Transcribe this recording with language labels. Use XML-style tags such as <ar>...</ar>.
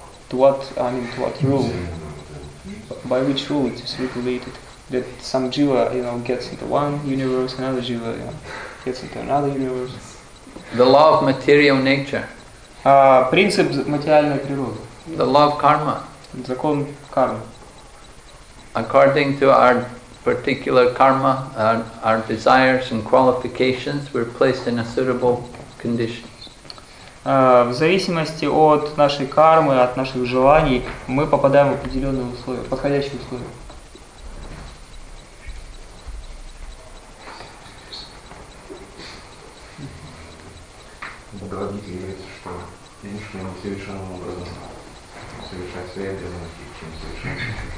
<en>To what rule? By which rule it is regulated? That some jiva, you know, gets into one universe, another jiva, you know, gets into another universe? The law of material nature.</en> <ru>Принцип материальной природы.</ru> <en>The law of karma.</en> <ru>Закон кармы.</ru> <en>According to our particular karma, our desires and qualifications, we're placed in a suitable condition.</en> <ru>В зависимости от нашей кармы, от наших желаний, мы попадаем в определенные условия, подходящие условия. Бхагавадгита говорит, что меньше мы совершенным образом совершать свои обязанности, чем совершать.</ru>